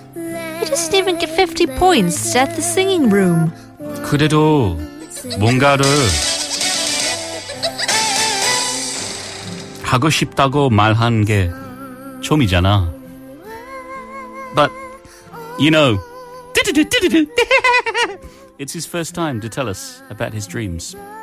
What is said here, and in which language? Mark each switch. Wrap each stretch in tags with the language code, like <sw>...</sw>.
<en>He doesn't even get 50 points at the singing room.</en> <ko>그래도 뭔가를 하고 싶다고 말한 게 처음이잖아.</ko> <en>But, you know, it's his first time to tell us about his dreams.</en>